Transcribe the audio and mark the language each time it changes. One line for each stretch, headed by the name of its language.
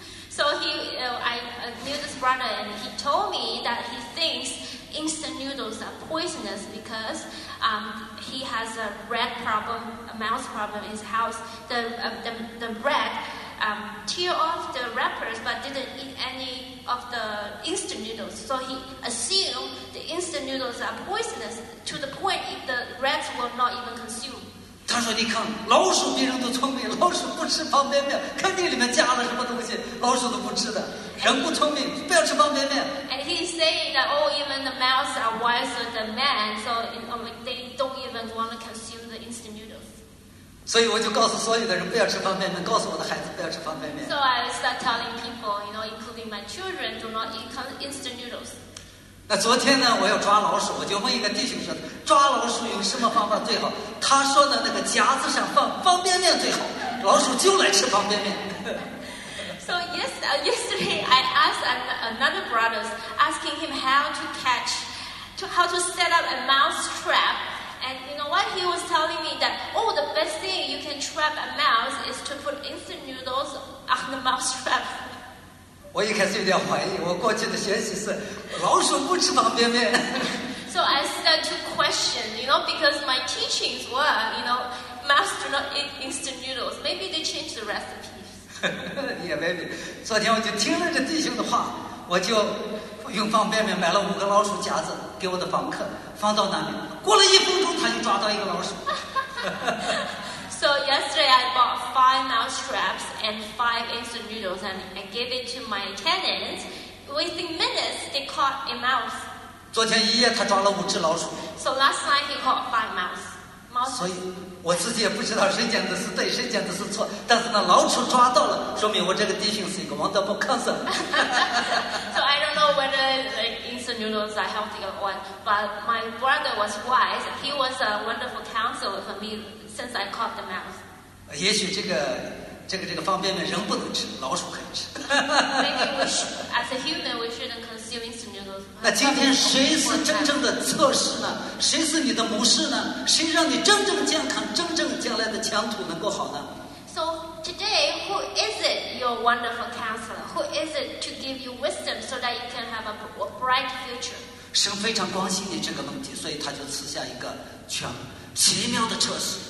English: So I knew this brother and he told me that he thinks instant noodles are poisonous because. He has a rat problem, a mouse problem in his house. The rat tear off the wrappers, but didn't eat any of the instant noodles. So he assumed the instant noodles are poisonous to the point if the rats will not even consume.
Chinese: 他说：“你看，老鼠比人都聪明，老鼠不吃方便面，肯定里面加了什么东西，老鼠都不吃的。人不聪明，不要吃方便面。”
English: And he's saying that, oh, even the mouse are wiser than man, so they don't even want to consume the instant noodles.
Chinese: 所以我就告诉所有的人不要吃方便面，告诉我的孩子不要吃方便面。
English: So I start telling people, you know, including my children, do not eat instant noodles.
Chinese: 那昨天呢，我要抓老鼠，我就问一个弟兄说，抓老鼠用什么方法最好？他说的那个夹子上放方便面最好，老鼠就来吃方便面。
English: So yesterday I asked another brother, asking him how to set up a mouse trap. And you know what? He was telling me that, oh, the best thing you can trap a mouse is to put instant noodles on the mouse trap.
Chinese: 我一开始有点怀疑，我过去的学习是老鼠不吃方便面。
English: So I started to question, you know, because my teachings were, you know, mouse do not eat instant noodles. Maybe they changed the recipe.
Chinese: 也没有。昨天我就听了这弟兄的话，我就用方便面买了五个老鼠夹子给我的房客放到那里。过了一分钟，他就抓到一个老鼠。
English: So yesterday I bought 5 mouse traps and 5 instant noodles and I gave it to my tenants. Within minutes, they caught a mouse.
Chinese: 昨天一夜他抓了五只老鼠。
English: So last night he caught 5 mouse.
Chinese: 所以我自己也不知道谁讲的是对，谁讲的是错。但是呢，老鼠抓到了，说明我这个弟兄是一个
English: wonderful counselor。 So I don't know whether instant noodles are healthy or what, but my brother was wise. He was a wonderful counselor for me since I caught the mouse.
Chinese: 也许这个这个方便面人不能吃，老鼠可以吃。
English: As a human, we shouldn't consume instant noodles.
Chinese: 那今天谁是真正的测试呢？谁是你的谋士呢？谁让你真正健康，真正将来的前途能够好呢？
English: So today, who is it your wonderful counselor? Who is it to give you wisdom so that you can have a bright future?
Chinese: 神非常关心你这个问题，所以他就赐下一个全奇妙的测试。